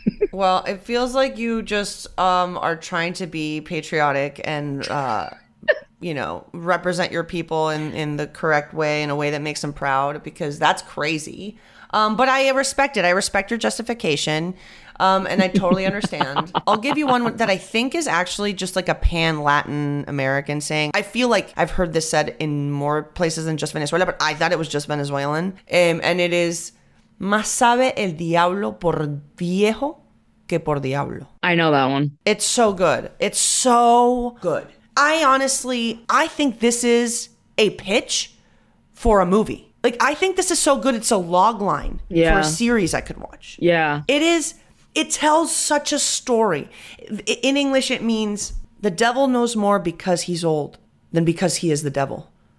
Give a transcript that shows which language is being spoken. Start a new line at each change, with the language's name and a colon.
English: Well, it feels like you just are trying to be patriotic and, you know, represent your people in the correct way, in a way that makes them proud, because that's crazy. But I respect it. I respect your justification. And I totally understand. I'll give you one that I think is actually just like a pan Latin American saying. I feel like I've heard this said in more places than just Venezuela, but I thought it was just Venezuelan. And it is,
Spanish: más sabe el diablo por viejo que por diablo.
English: I know that one. It's so good. It's so good. I think this is a pitch for a movie. Like, I think this is so good. It's a log line for a series I could watch. Yeah. It tells such a story. In English, it means the devil knows more because he's old than because he is the devil.